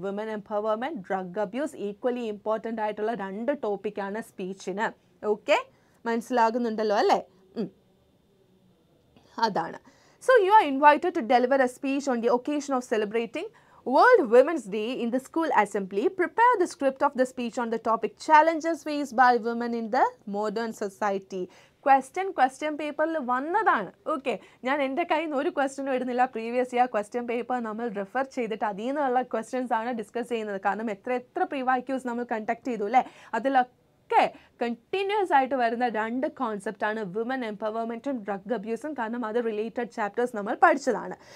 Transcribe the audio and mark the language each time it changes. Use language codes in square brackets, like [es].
[ml] Woman empowerment, drug abuse, equally important ആയിട്ടുള്ള 2 topics സ്പീച്ചിന്. Okay, മനസ്സിലാകുന്നുണ്ടല്ലോ അല്ലേ. [en] അതാണ്. So you are invited to deliver a speech on the occasion of celebrating World Women's Day in the school assembly. Prepare the script of the speech on the topic challenges faced by women in the modern society. [ml] Question പേപ്പറിൽ വന്നതാണ്. Okay, ഞാൻ എൻ്റെ കയ്യിൽ നിന്ന് ഒരു ക്വസ്റ്റ്യനും ഇടുന്നില്ല. Previous year question paper നമ്മൾ റെഫർ ചെയ്തിട്ട് അതിൽ നിന്നുള്ള ക്വസ്റ്റ്യൻസ് ആണ് ഡിസ്കസ് ചെയ്യുന്നത്. കാരണം എത്ര പ്രിവാക്യൂസ് നമ്മൾ കണ്ടക്ട് ചെയ്തു അല്ലേ, അതിലൊക്കെ ഒക്കെ കണ്ടിന്യൂസ് ആയിട്ട് വരുന്ന 2 concepts വുമൻ എംപവർമെൻറ്റും ഡ്രഗ് അബ്യൂസും, കാരണം അത് റിലേറ്റഡ് ചാപ്റ്റേഴ്സ് നമ്മൾ പഠിച്ചതാണ്.